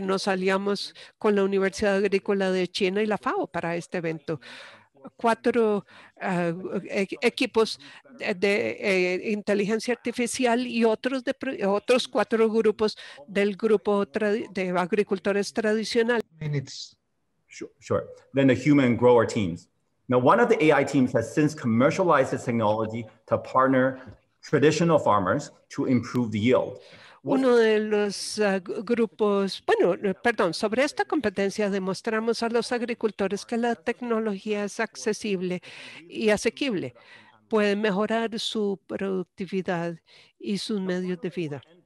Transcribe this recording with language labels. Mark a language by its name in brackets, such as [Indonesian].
[Spanish] Nos aliamos con la Universidad Agrícola de China y la FAO para este evento. Cuatro equipos de inteligencia artificial y otros cuatro grupos del grupo de agricultores tradicionales. [English] Sure. Then the human grower teams. Now, one of the AI teams has since commercialized its technology to partner traditional farmers to improve the yield. [Spanish] Uno de los grupos, bueno, perdón, sobre esta competencia demostramos a los agricultores que la tecnología es accesible y asequible. Puede mejorar su productividad y sus medios de vida.